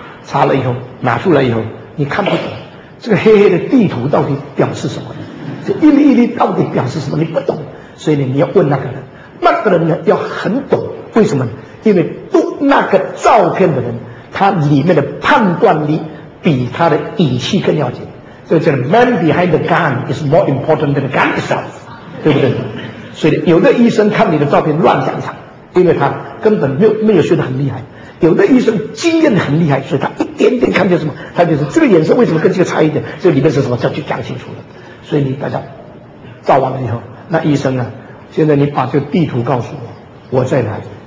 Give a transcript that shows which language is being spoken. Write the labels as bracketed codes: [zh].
[zh] 查了以后拿出来以后，你看不懂这个黑黑的地图到底表示什么，这一粒一粒到底表示什么，你不懂。所以呢，你要问那个人，那个人呢要很懂。为什么？因为读那个照片的人，他里面的判断力比他的仪器更要紧。所以这个 [en] man behind the gun is more important than the gun itself， [zh] 对不对？所以有的医生看你的照片乱讲场，因为他根本没有学得很厉害。有的医生经验很厉害，所以他一点点看见什么，他就是这个眼色为什么跟这个差一点，这里面是什么，这就讲清楚了。所以你大家照完了以后，那医生呢，现在你把这个地图告诉我，我在哪里。